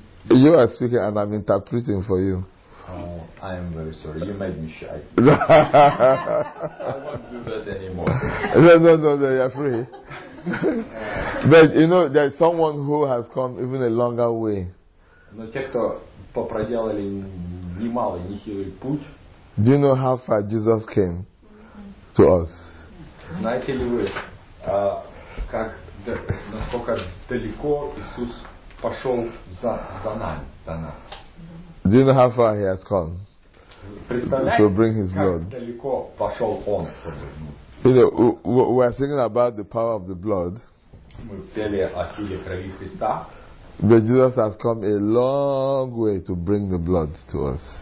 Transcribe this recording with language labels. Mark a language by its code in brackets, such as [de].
[en] You are speaking, and I'm interpreting for you. I am very sorry. You made me shy. I won't do that anymore. No, you're free. But you know, there's someone who has come even a longer way. [ru] Но те, кто проделали немалый, нехилый путь. [en] Do you know how far Jesus came to us? [ru] Знаете ли вы, насколько далеко Иисус пошел за нами, за нас? [en] Do you know how far he has come? [ru] Представляете, [en] to bring his blood? [ru] Как далеко пошел он? [en] You know, we are thinking about the power of the blood. [ru] Мы пели о силе крови Христа. [en] But Jesus has come a long way to bring the blood to us.